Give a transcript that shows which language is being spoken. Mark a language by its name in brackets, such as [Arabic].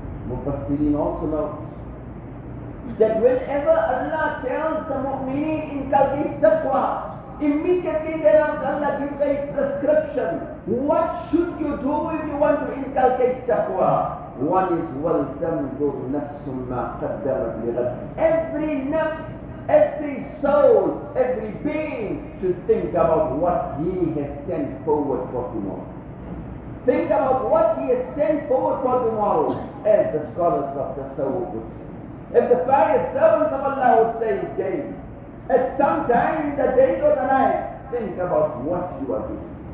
[English] مفسرين also note that whenever Allah tells the mu'mineen in qalbi taqwa, immediately thereafter Allah gives a prescription. What should you do if you want to inculcate taqwa? One is [Arabic] وَلْتَنْظُرْ نَفْسٌ مَا قَدَّمَتْ لِغَدٍ. [English] Every nafs, every soul, every being should think about what he has sent forward for tomorrow. Think about what he has sent forward for tomorrow, as the scholars of the soul would say. If the pious servants of Allah would say day, at some time in the day or the night, think about what you are doing.